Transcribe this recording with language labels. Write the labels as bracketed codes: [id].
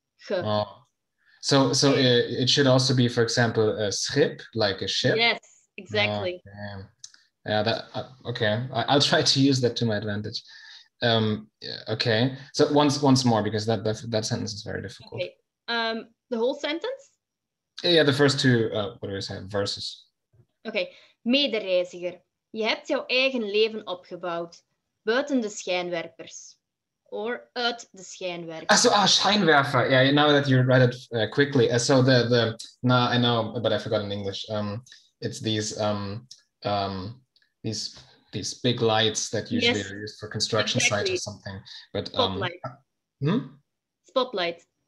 [en] G. Oh. So okay. it should also be, for example, a schip, like a ship. Yes, exactly. Okay. Yeah, that okay. I'll try to use that to my advantage. Okay. So once more, because that sentence is very difficult. Okay. The whole sentence? Yeah, the first two. What do we say? Verses. Okay, [nl] medereiziger, je hebt jouw eigen leven opgebouwd buiten de schijnwerpers. [en] Or [nl] uit de schijnwerper. [en] Scheinwerfer. Yeah, now that you read it quickly. So the nah, I know, but I forgot in English. It's these big lights that usually yes, are used for construction exactly. Sites or something. But spotlight.